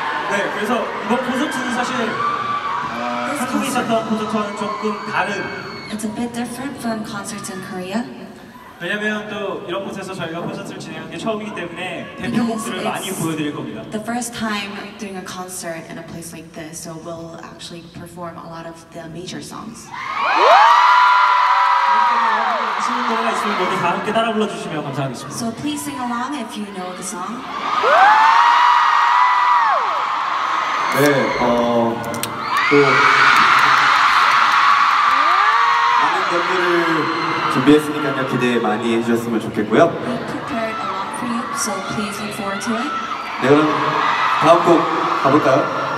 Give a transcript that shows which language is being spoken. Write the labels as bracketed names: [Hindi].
[Korean] 네, 그래서 이번 콘서트는 사실 한국이 샀던 콘서트와는 조금 다른. [English] It's a bit different from concerts in Korea. [Korean] 왜냐면 또 이런 곳에서 저희가 콘서트를 진행한 게 처음이기 때문에 대표곡들을 많이 보여드릴 겁니다. [English] The first time doing a concert in a place like this, so we'll actually perform a lot of the major songs. [Korean] 하시는 노래가 있으면 모두 다 함께 따라 불러주시면 감사하겠습니다. [English] So please sing along if you know the song. [Korean] 네, 많은 것들을 준비했으니까요. 기대 많이 해주셨으면 좋겠고요. [English] Prepared a lot for you, so please look forward to it. [Korean] 네, 그럼 다음 곡 가볼까요?